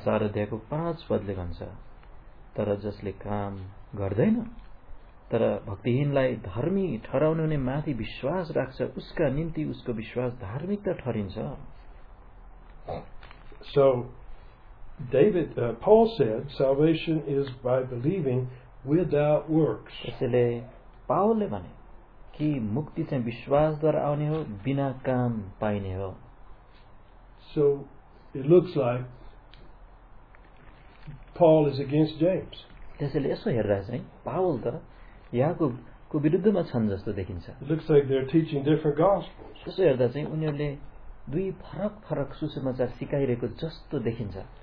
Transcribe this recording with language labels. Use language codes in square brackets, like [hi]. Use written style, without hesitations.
[ne] अध्यायको पाँच पदले भन्छ तर जसले काम गर्दैन तर भक्तिहीनलाई धर्मी ठहराउनु नै माथि विश्वास राख्छ उसका निम्ति उसको विश्वास धार्मिकता ठहरिन्छ. [en] So, David, Paul said, salvation is by believing without works. [ne] त्यसैले पाउलले भने कि मुक्ति चाहिँ विश्वासद्वारा आउने हो बिना काम पाइने हो. [en] So it looks like Paul is against James. [ne] त्यसैले यसो हेर्दा चाहिँ पावल त याकुब को विरुद्धमा छन् जस्तो देखिन्छ [en] looks like they're teaching different gospels [ne] त्यसो हेर्दा चाहिँ उनीहरूले दुई फरक फरक सुसमाचार सिकाइरहेको जस्तो देखिन्छ